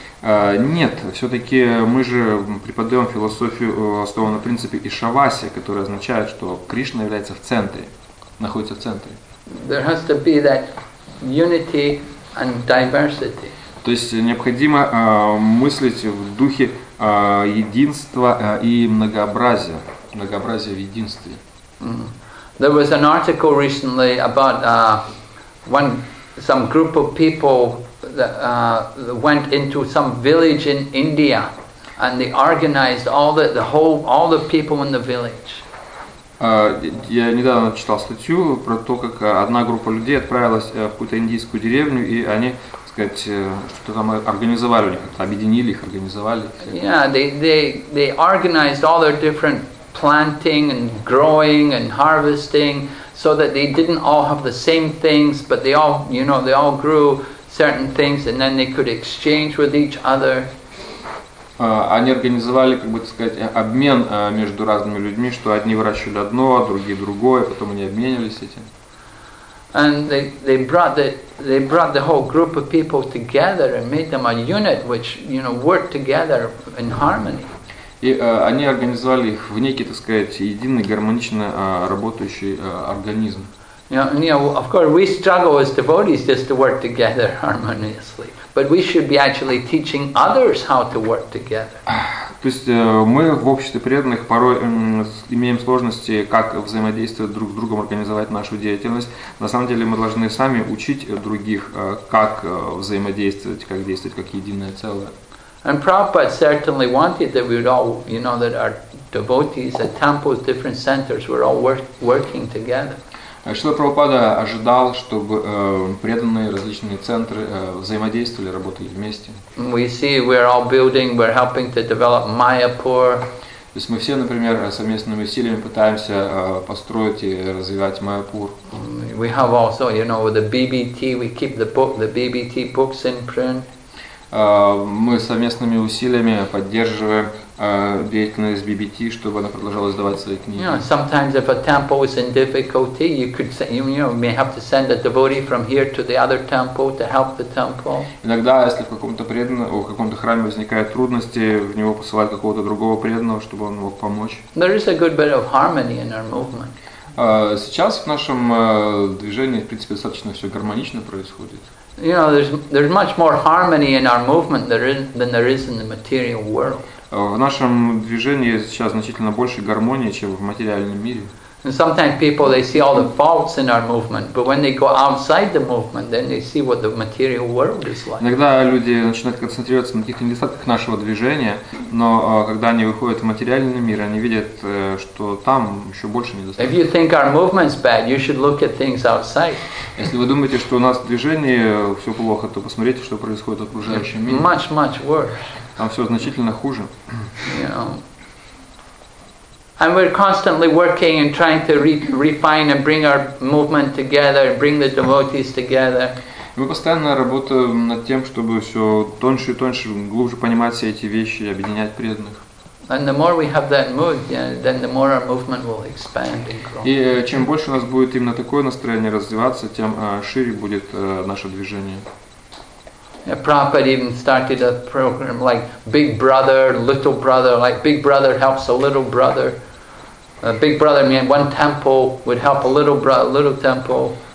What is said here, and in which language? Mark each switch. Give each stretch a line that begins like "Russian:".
Russian: Нет, все-таки мы же преподаем философию, основанную на принципе Ишавасия, которая означает, что Кришна является в центре, находится в центре.
English: There has to be that unity and diversity.
Russian: То есть необходимо мыслить в духе единства и многообразия, многообразия в единстве. Mm-hmm.
English: There was an article recently about some group of people that went into some village in India and they organized all the people in the village.
Russian: Я недавно читал статью про то, как одна группа людей отправилась в какую-то индийскую деревню и они, так сказать, что там организовали, объединили их, организовали.
English: Yeah, they organized all their different planting and growing and harvesting so that they didn't all have the same things, but they all, you know, they all grew certain things, and then they could exchange with each other.
Russian: Они организовали, как бы сказать, обмен между разными людьми, что одни выращивали одно, а другие другое, потом они обменивались этим.
English: And they brought the whole group of people together and made them a unit, which you know worked together in harmony.
Russian: И они организовали их в некий, так сказать, единый гармонично работающий организм.
English: You know, of course, we struggle as devotees just to work together harmoniously, but we should be actually teaching others how to work together.
Russian: То есть мы в обществе преданных порой имеем сложности, как взаимодействовать друг с другом, организовать нашу деятельность. На самом деле мы должны сами учить других, как взаимодействовать, как действовать как единое целое.
English: And Prabhupada certainly wanted that we would all, you know, that our devotees at temples, different centers, were all working together.
Russian: Шрила Прабхупада ожидал, чтобы преданные различные центры взаимодействовали, работали вместе.
English: We see we're all building, we're helping to develop Mayapur.
Russian: То есть мы все, например, совместными усилиями пытаемся построить и развивать Майяпур.
English: We have also, you know, the BBT, we keep the BBT books in print.
Russian: Мы совместными усилиями поддерживаем деятельность BBT, чтобы она продолжала издавать свои книги.
English: You know, sometimes if a temple is in difficulty, you could send, you know, may have to send a devotee from here to the other temple to help the temple.
Russian: Иногда, если в каком-то преданном, в каком-то храме возникают трудности, в него посылают какого-то другого преданного, чтобы он мог помочь.
English: There is a good bit of harmony in our movement.
Russian: Сейчас в нашем движении, в принципе, достаточно все гармонично происходит.
English: You know, there's much more harmony in our movement than there is in the material world.
Russian: В нашем движении сейчас значительно больше гармонии, чем в материальном мире.
English: And sometimes people they see all the faults in our movement, but when they go outside the movement, then they see what the material world is like.
Russian: Иногда люди начинают концентрироваться на каких-то недостатках нашего движения, но когда они выходят в материальный мир, они видят, что там еще больше недостатков.
English: If you think our movement's bad, you should look at things outside.
Russian: Если вы думаете, что у нас движение все плохо, то посмотрите, что происходит в окружающем мире.
English: Much, much worse.
Russian: Там все значительно хуже.
English: And we're constantly working and trying to refine and bring our movement together, bring the devotees together.
Russian: Мы постоянно работаем над тем, чтобы все тоньше и тоньше, глубже понимать все эти вещи, объединять преданных.
English: And the more we have that mood, yeah, then the more our movement will expand and grow.
Russian: И чем больше у нас будет именно такое настроение развиваться, тем шире будет наше движение.
English: Yeah, Prabhupada even started a program like Big Brother, Little Brother, like Big Brother helps a little brother. Big Brother meant one temple would help a little brother, little temple.